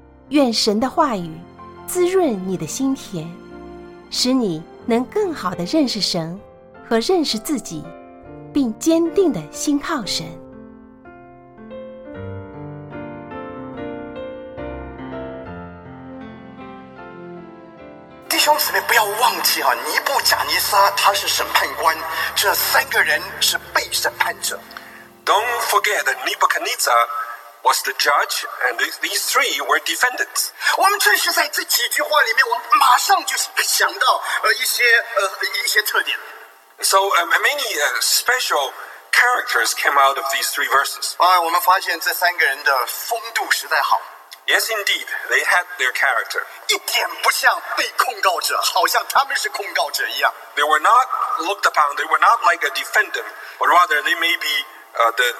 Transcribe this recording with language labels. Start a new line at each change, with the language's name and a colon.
Chinese: 愿神的话语滋润你的心田，使你能更好地认识神和认识自己，并坚定地信靠神。弟兄姊妹，不要忘记啊，尼布甲尼撒他是审判官，这三个人是被审判者。
English: Don't forget that Nebuchadnezzar was the judge, and these three were defendants.
Chinese: 我们正是在这几句话里面，我马上就想到一些特点。
English: So many special characters came out of these three verses.
Chinese: 我们发现这三个人的风度实在好。
English: Yes, indeed, they had their character.
Chinese: 一点不像被控告者，好像他们是控告者一样。
English: They were not looked upon. They were not like a defendant, but rather they may be